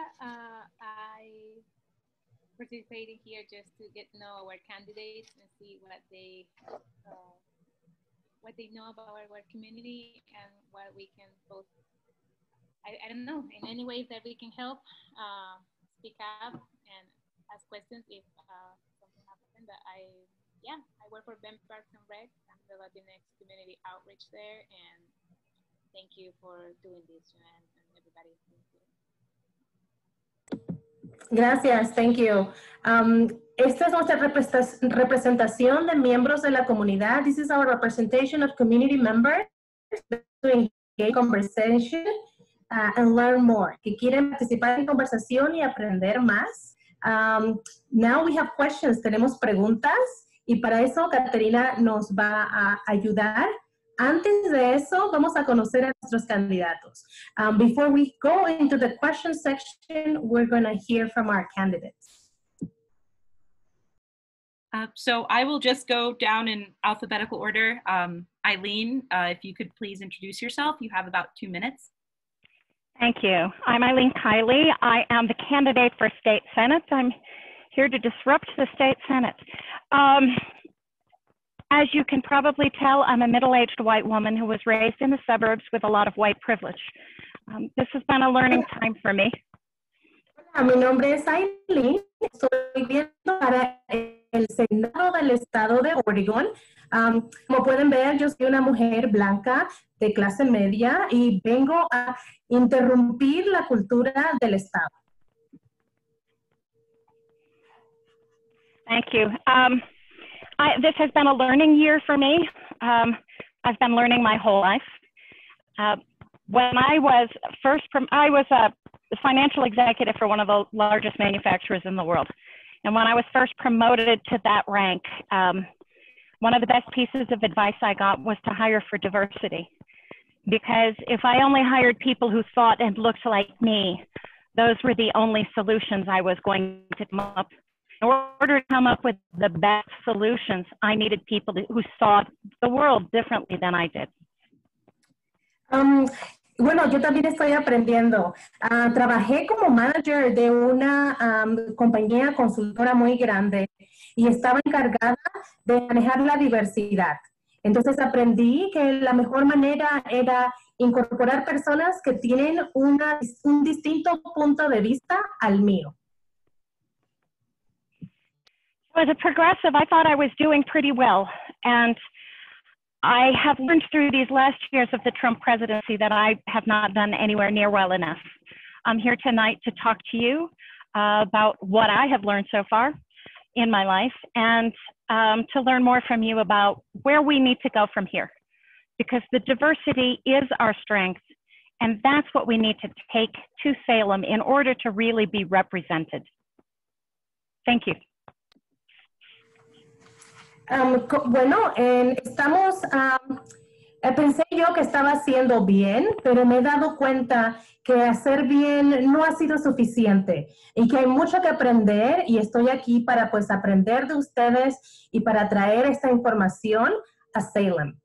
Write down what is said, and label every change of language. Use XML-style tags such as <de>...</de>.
<en>I participated here just to get to know our candidates and see what they know about our community and what we can both, I don't know, in any ways that we can help, speak up and ask questions if something happened. But I work for Bend Parks and Rec. I'm the Latinx community outreach there. And thank you for doing this, Joanne, and everybody. Thank you.</en> <es>Gracias,</es> <en>thank you.</en> <es>Esta es nuestra representación de miembros de la comunidad.</es> <en>This is our representation of community members to engage in conversation and learn more.</en> <es>Que quieren participar en conversación y aprender más.</es> <en>Now we have questions.</en> <es>Tenemos preguntas. Y para eso, Caterina nos va a ayudar. Antes de eso, vamos a conocer a nuestros candidatos.</es> <en>Before we go into the question section, we're going to hear from our candidates. So I will just go down in alphabetical order. Eileen, if you could please introduce yourself. You have about 2 minutes. Thank you. I'm Eileen Kiely. I am the candidate for State Senate. I'm here to disrupt the State Senate. As you can probably tell, I'm a middle-aged white woman who was raised in the suburbs with a lot of white privilege. This has been a learning time for me.</en> <es>Hola, mi nombre es Eileen. Estoy viviendo para el Senado del Estado de Oregon. Como pueden ver, yo soy una mujer blanca de clase media y vengo a interrumpir la cultura del Estado.</es> <en>Thank you. This has been a learning year for me. I've been learning my whole life. I was a financial executive for one of the largest manufacturers in the world. And when I was first promoted to that rank, one of the best pieces of advice I got was to hire for diversity. Because if I only hired people who thought and looked like me, those were the only solutions I was going to come up with. In order to come up with the best solutions, I needed people who saw the world differently than I did.</en> <es>Bueno, yo también estoy aprendiendo. Trabajé como manager de una compañía consultora muy grande y estaba encargada de manejar la diversidad. Entonces aprendí que la mejor manera era incorporar personas que tienen un distinto punto de vista al mío.</es> <en>As a progressive, I thought I was doing pretty well. And I have learned through these last years of the Trump presidency that I have not done anywhere near well enough. I'm here tonight to talk to you about what I have learned so far in my life and to learn more from you about where we need to go from here. Because the diversity is our strength, and that's what we need to take to Salem in order to really be represented. Thank you.</en> <es>Bueno, estamos, pensé yo que estaba haciendo bien, pero me he dado cuenta que hacer bien no ha sido suficiente y que hay mucho que aprender y estoy aquí para pues aprender de ustedes y para traer esta información a Salem.</es>